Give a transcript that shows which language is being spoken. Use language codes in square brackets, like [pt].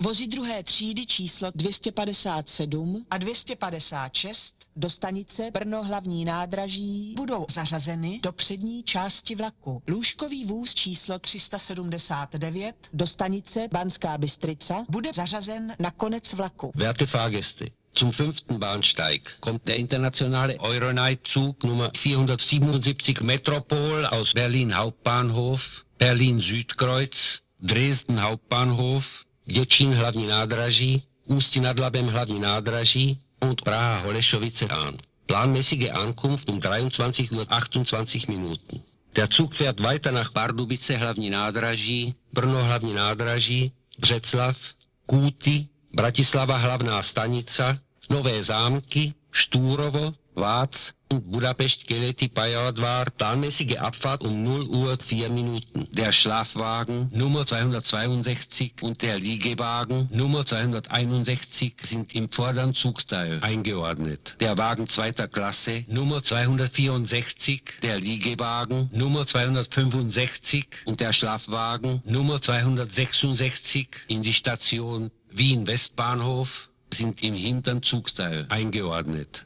[cs] Vozy druhé třídy číslo 257 a 256 do stanice Brno hlavní nádraží budou zařazeny do přední části vlaku. Lůžkový vůz číslo 379 do stanice Banská Bystrica bude zařazen na konec vlaku. [de] Werte Fahrgäste, zum fünften Bahnsteig kommt der internationale Euronight-Zug Nummer 477 Metropol aus Berlin Hauptbahnhof, Berlin Südkreuz, Dresden Hauptbahnhof, Děčín hlavní nádraží, Ústí nad Labem hlavní nádraží und Praha Holešovice an. Planmäßige Ankunft 23:28 Minuten. Der Zug fährt weiter nach Pardubice hlavní nádraží, Brno hlavní nádraží, Břeclav, Kúty, Bratislava hlavná stanica, Nové Zámky, Štúrovo, Vác, Budapest Keleti Pályaudvar. Planmäßige Abfahrt 0:04 Minuten. Der Schlafwagen Nummer 262 und der Liegewagen Nummer 261 sind im vorderen Zugteil eingeordnet. Der Wagen zweiter Klasse Nummer 264, der Liegewagen Nummer 265 und der Schlafwagen Nummer 266 in die Station Wien Westbahnhof sind im hinteren Zugteil eingeordnet.